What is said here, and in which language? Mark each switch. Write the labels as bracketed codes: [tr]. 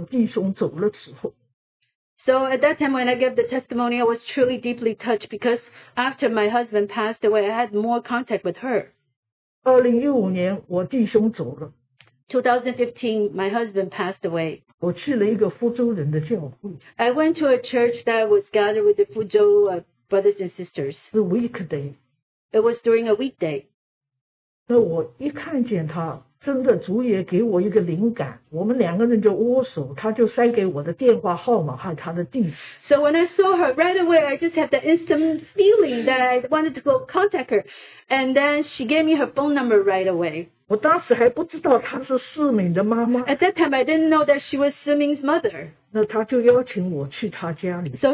[zh] 我当时去做了见证啊，我心里也是蛮感动的，因为我跟他的接触就是我弟兄走了之后。 [en] So at that time when I gave the testimony, I was truly deeply touched because after my husband passed away, I had more contact with her. [zh] 2015年我弟兄走了。2015, [en] my husband passed away. [zh] 我去了一个福州人的教会。 [en] I went to a church that was gathered with the Fuzhou brothers and sisters. The weekday. It was during a weekday. [zh] 那我一看见她，真的主也给我一个灵感，我们两个人就握手，她就塞给我的电话号码和她的地址。 [en] So when I saw her right away, I just had the instant feeling that I wanted to go contact her, and then she gave me her phone number right away. [zh] 我当时还不知道她是世敏的妈妈。 [en] At that time, I didn't know that she was Siming's mother. [zh] 那她就邀请我去她家里。 [en] So